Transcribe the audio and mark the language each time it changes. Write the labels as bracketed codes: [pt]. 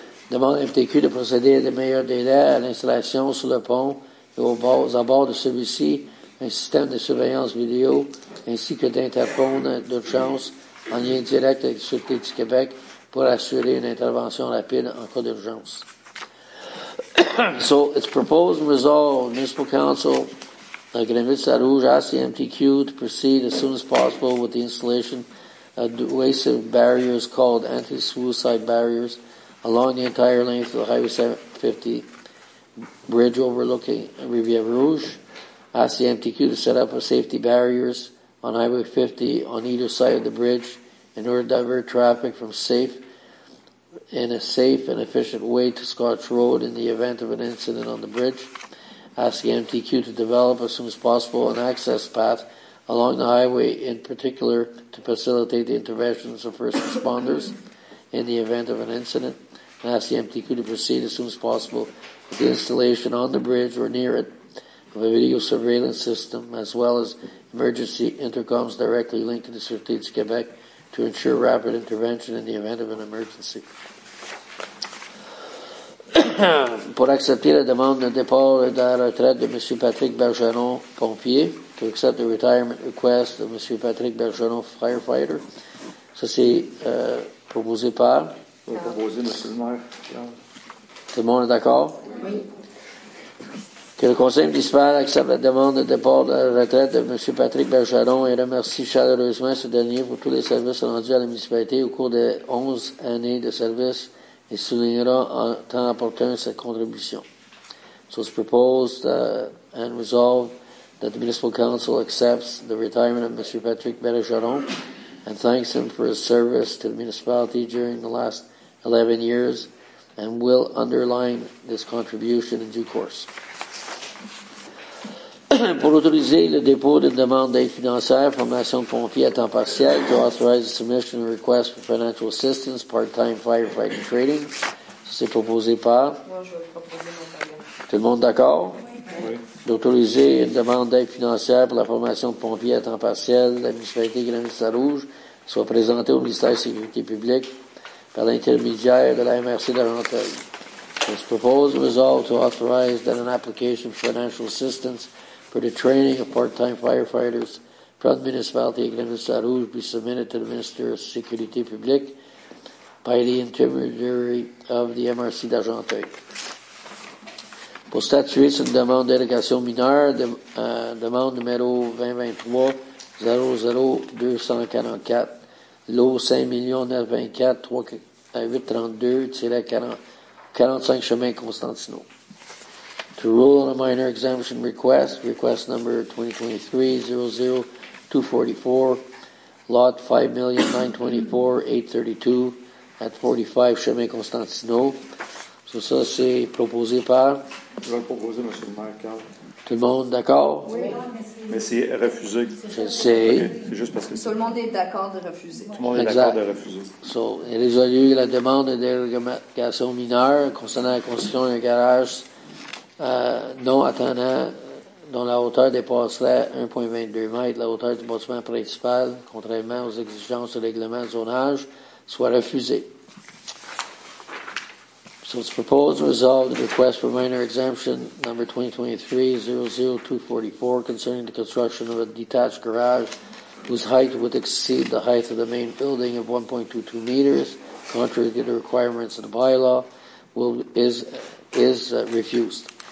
[fr] Demande à MTQ de procéder à des meilleurs délais à l'installation sur le pont et aux abords de celui-ci un système de surveillance vidéo ainsi que d'interphone d'urgence en lien direct avec la Sûreté du Québec pour assurer une intervention rapide en cas d'urgence. [en] So, it's proposed and resolved. Municipal Council of Greenville-Saint-Rouge asks the MTQ to proceed as soon as possible with the installation of adhesive barriers called anti-suicide barriers along the entire length of the Highway 750 bridge overlooking Rivière Rouge. Ask the MTQ to set up a safety barriers on Highway 50 on either side of the bridge in order to divert traffic from a safe and efficient way to Scotch Road in the event of an incident on the bridge. Ask the MTQ to develop as soon as possible an access path along the highway, in particular to facilitate the interventions of first responders in the event of an incident. And ask the MTQ to proceed as soon as possible with the installation on the bridge or near it of a video surveillance system as well as emergency intercoms directly linked to the Sûreté du Québec to ensure rapid intervention in the event of an emergency. [fr] Pour accepter la demande de départ et de la retraite de M. [en] Patrick Bergeron, pompier, to accept the retirement request of M. [fr] Patrick Bergeron, firefighter, ça c'est proposé par... Oui, proposé, M. le maire. Tout le monde est d'accord? Oui. Que le conseil municipal accepte la demande de départ et de la retraite de M. Patrick Bergeron et remercie chaleureusement ce dernier pour tous les services rendus à la municipalité au cours des 11 années de service et soulignera en temps opportun sa contribution. [en] So it's proposed and resolved that the Municipal Council accepts the retirement of Mr. Patrick Bergeron and thanks him for his service to the municipality during the last 11 years and will underline this contribution in due course. [fr] Pour autoriser le dépôt d'une demande d'aide financière, formation de pompiers à temps partiel, [en] to authorize the submission of a request for financial assistance, part-time firefighting training, [fr] c'est proposé par... Tout le monde d'accord? Oui. D'autoriser une demande d'aide financière pour la formation de pompiers à temps partiel de la municipalité de Greenville-Saint-Rouge soit présentée au ministère de la Sécurité publique par l'intermédiaire de la MRC de Rantel. [en] This proposal is all to authorize that an application for financial assistance for the training of part-time firefighters from the municipality of Greenville-Saint-Rouge be submitted to the Minister of Sécurité publique by the intermediary of the MRC d'Argenteuil. [fr] Pour statuer sur une demande d'allocation mineure, demande numéro 2023-00244, lot 5924-8832-45 chemin Constantineau. [en] To rule on a minor exemption request, request number 2023-00244, lot 5924-832-45 chemin Constantineau. [fr] So, ça, c'est proposé par... Je vais le proposer, M. le maire, Carl. Tout le monde d'accord? Oui, mais c'est refusé. C'est juste parce que... Tout le monde est d'accord de refuser. Tout le monde est d'accord de refuser. So, il résolu la demande de dérogation mineure concernant la construction d'un garage non attendant dont la hauteur dépasserait 1,22 m, la hauteur du bâtiment principal, contrairement aux exigences du règlement de zonage, soit refusée. [en] So it's proposed and resolved the request for minor exemption number 2023-00244 concerning the construction of a detached garage whose height would exceed the height of the main building of 1.22 meters, contrary to the requirements of the bylaw, is refused.